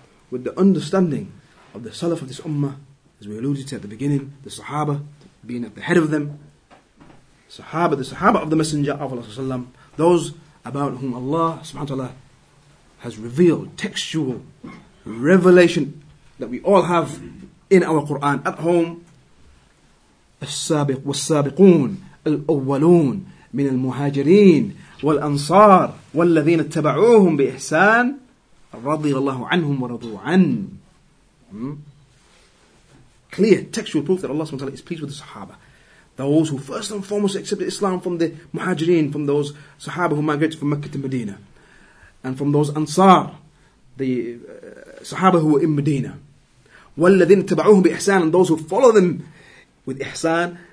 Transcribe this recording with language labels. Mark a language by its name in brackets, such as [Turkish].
[English] with the understanding of the salaf of this ummah, as we alluded to at the beginning, the sahaba, being at the head of them, sahaba, the sahaba of the Messenger of Allah, those about whom Allah subhanahu wa ta'ala has revealed textual revelation that we all have in our Quran at home. [Arabic] السابق والسابقون الأولون من المهاجرين والأنصار والذين اتبعوهم بإحسان رضي الله عنهم ورضوا عنه. [English] Clear textual proof that Allah subhanahu wa ta'ala is pleased with the Sahaba. Those who first and foremost accepted Islam from the Muhajirin, from those Sahaba who migrated from Mecca to Medina. And from those Ansar, the Sahaba who were in Medina. [Arabic] وَالَّذِينَ اتَّبَعُوهُمْ بِإِحْسَانٍ. [English] And those who follow them with Ihsan.